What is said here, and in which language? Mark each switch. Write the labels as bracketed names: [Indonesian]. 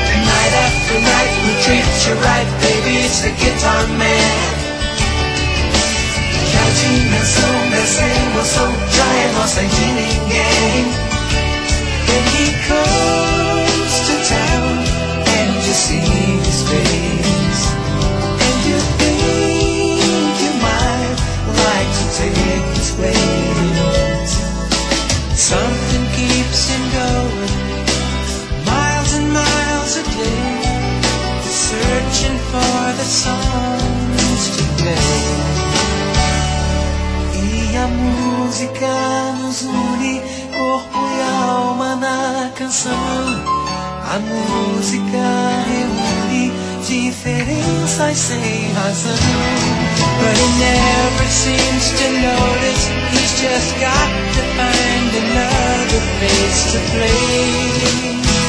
[English] Night after night we treat you right, baby, it's the guitar man. [Portuguese] Dimensão dessa emoção já é nossa de ninguém. [English] When he comes to town and you see his face, and you think you might like to take his place. Something keeps him going, miles and miles a day, searching for the songs to play. [Portuguese] A música nos une, corpo e alma na canção. A música reúne diferenças sem razão. [English] But he never seems to notice, he's just got to find another place to play.